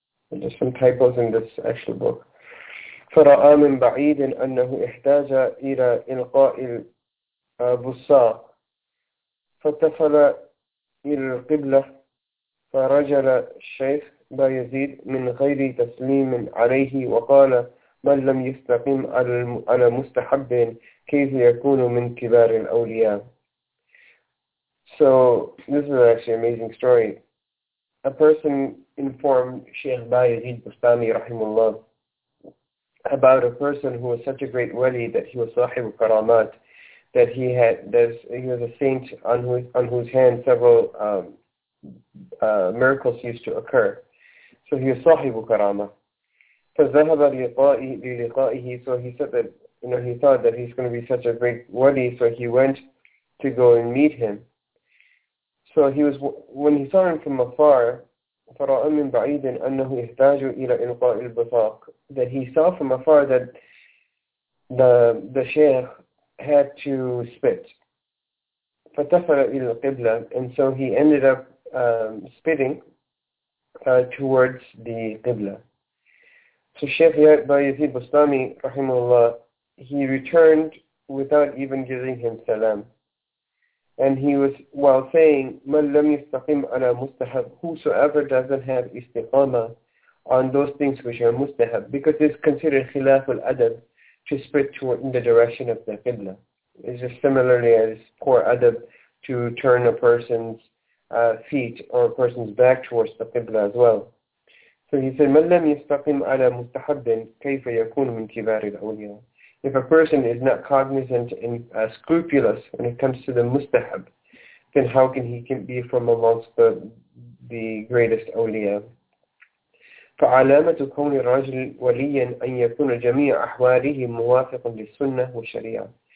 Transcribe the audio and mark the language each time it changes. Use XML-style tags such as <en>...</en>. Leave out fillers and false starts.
<en>There's some typos in this actual book.</en> <ar>فرأى من بعيد أنه احتاج إلى إلقاء البصاق فتفل إلى القبلة فرجل الشيخ بايزيد من غير تسليم عليه وقال من لم يستقم على مستحب كيف يكون من كبار الأولياء.</ar> <en>So this is actually an amazing story. A person informed Sheikh Bayezid Bustami rahimullah about a person who was such a great wali that he was sahib karamat, that he had this, he was a saint on whose hand several miracles used to occur. So he was sahib karama.</en> <ar>فذهب للقائه.</ar> <en>So he said that, you know, he thought that he's going to be such a great wali, so he went to go and meet him. So he was, when he saw him from afar,</en> <ar>فرأى من بعيد أنه يحتاج إلى إلقاء البصاق.</ar> <en>That he saw from afar that the sheikh had to spit.</en> <ar>فتفر إلى القبلة,</ar> <en>and so he ended up spitting towards the qibla. So Sheikh Bayezid Bustami, rahimahullah, he returned without even giving him salam. And he was, while saying,</en> <ar>مَنْ لَمْ يَسْتَقِمْ عَلَى مُسْتَحَبْ,</ar> <en>whosoever doesn't have istiqama on those things which are mustahab, because it's considered khilaf al-adab to spit in the direction of the qibla. It's just similarly as poor adab to turn a person's feet or a person's back towards the qibla as well. So he said,</en> <ar>مَنْ لَمْ يَسْتَقِمْ عَلَى مُسْتَحَبٍ كَيْفَ يَكُونُ مِنْ كِبَارِ الْأَوْلِيَا.</ar> <en>If a person is not cognizant and scrupulous when it comes to the mustahab, then how can he be from amongst the greatest awliya?</en> <ar>فَعَلَامَةُ كَوْنِ الرَّجْلِ وَلِيًّا أَنْ يَكُونَ جَمِيعَ أَحْوَالِهِ مُوَافِقًا لِلسُنَّةِ وَالشَّرِيعَةِ.</ar>